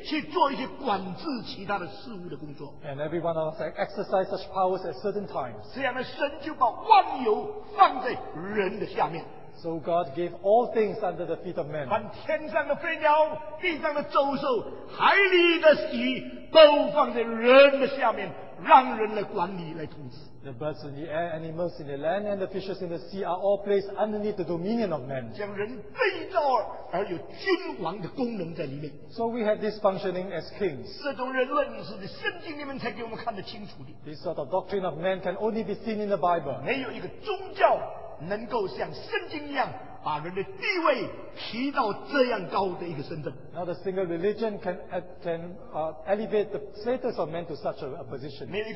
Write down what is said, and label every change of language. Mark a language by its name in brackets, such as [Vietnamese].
[Chinese] 而每个人都曾经用他的权柄去做一些管制其他的事物的工作。 [English] And every one of us exercise such powers at certain times. [Chinese] 这样的神就把万有放在人的下面。 [English] So God gave all things under the feet of man. [Chinese] 把天上的飞鸟、地上的走兽、海里的鱼，都放在人的下面，让人来管理、来统治。 [English] The birds in the air, animals in the land, and the fishes in the sea are all placed underneath the dominion of man. [Chinese] 将人被造而有君王的功能在里面。 [English] So we have this functioning as kings. [Chinese] 这种人论是圣经里面才给我们看得清楚的。 [English] This sort of doctrine of man can only be seen in the Bible. [Chinese] 没有一个宗教 能够像圣经一样把人的地位提到这样高的一个身份。 [English] Not a single religion can elevate the status of man to such a position.